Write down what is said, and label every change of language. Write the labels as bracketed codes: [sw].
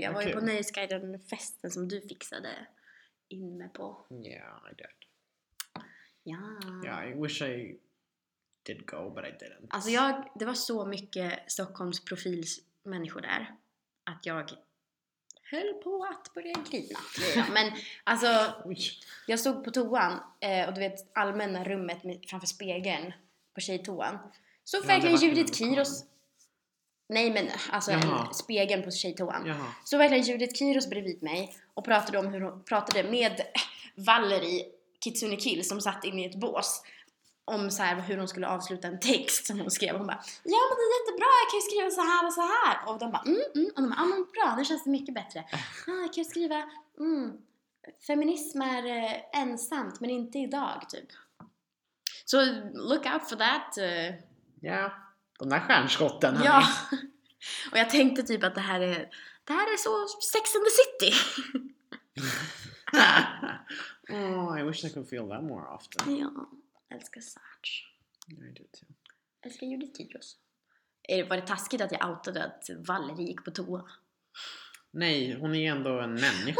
[sv] Jag var ju på Nöjesguiden-festen som du fixade in med på. [en] Yeah, I did. Yeah. Yeah, I wish I did go, but I didn't. [sv] Alltså det var så mycket Stockholms profilsmänniskor där att jag höll på att börja grina. Men alltså, jag stod på toan och du vet, allmänna rummet framför spegeln på tjejtoan. Så verkligen Judith Kiros... Nej, men alltså spegeln på tjejtoan. Jaha. Så verkligen Judith Kiros bredvid mig och pratade om hur hon pratade med Valerie Kitsune Kill som satt inne i ett bås. Om så här, hur hon skulle avsluta en text som hon skrev. Hon bara, ja men det är jättebra, jag kan ju skriva så här och så här. Och de bara, Och de bara, ja men bra, det känns mycket bättre. Ja, jag kan ju skriva, feminism är ensamt, men inte idag, typ. [en] Så look out for that. [sv] Ja, de där stjärnskotten. Ja, och jag tänkte typ att det här är så Sex and the City. [en] Oh, I wish I could feel that more often. [sv] Ja. Älskar Sarge. Jag gör det [en] too. [sv] Älskar Judith Kiros. Var det taskigt att jag outade att Valerie gick på toa? Nej, hon är ändå en människa.